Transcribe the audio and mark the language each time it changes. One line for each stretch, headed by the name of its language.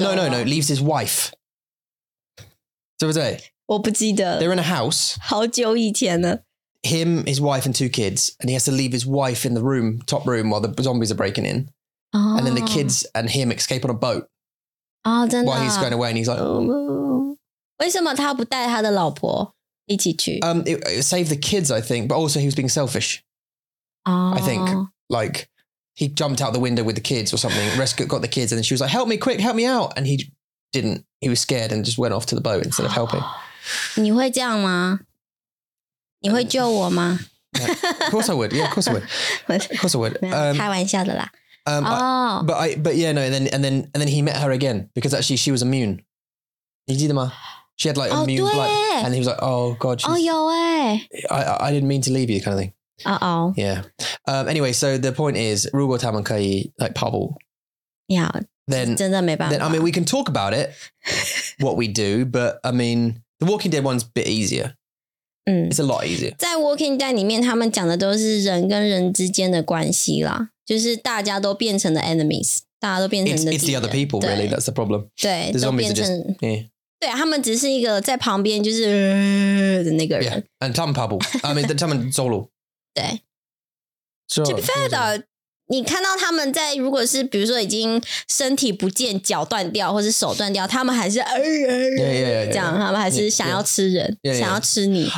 English: No, leaves his wife.
Chinese: 对不对? 我不记得。
English: They're in a house.
Chinese: 好久以前了。
English: Him, his wife and two kids, and he has to leave his wife in the room, top room, while the zombies are breaking in. Oh. And then the kids and him escape on a boat.
Chinese: Oh, 真的?
English: While he's going away and he's like, oh.
Chinese: 为什么他不带他的老婆一起去?
English: Save the kids, I think, but also he was being selfish. Oh. I think, like... He jumped out the window with the kids or something, rescued, got the kids, and then she was like, help me, quick, help me out. And he didn't. He was scared and just went off to the boat instead of helping.
Chinese: 你会这样吗?你会救我吗?
English: Yeah, of course I would. Yeah, of course I would. Of course I would.
Chinese: 开玩笑的啦.
English: And then he met her again because actually she was immune.
Chinese: 你记得吗?
English: She had like immune blood. And he was like, oh God.
Chinese: Oh, 有诶.
English: I didn't mean to leave you kind of thing. Uh-oh. Yeah. Anyway, so the point is,
Chinese: 如果他们可以,
English: like,
Chinese: 跑步,
English: yeah, then, I mean, we can talk about it, what we do, but, I mean, the Walking Dead one's a bit easier. It's a lot easier.
Chinese: 在Walking Dead里面,他们讲的都是人跟人之间的关系啦, 就是大家都变成了enemies, 大家都变成了敌人。
English: It's the other people, really, that's the problem.
Chinese: 对,
English: the zombies are just, yeah.
Chinese: 对,他们只是一个在旁边就是, the那个人。
English: Yeah, and
Chinese: 他们跑步,
English: I mean,
Chinese: 他们走路。
English: 对，To be fair though,
Chinese: 你看到他们在如果是比如说已经身体不见脚断掉或是手断掉他们还是他们还是想要吃人 想要吃你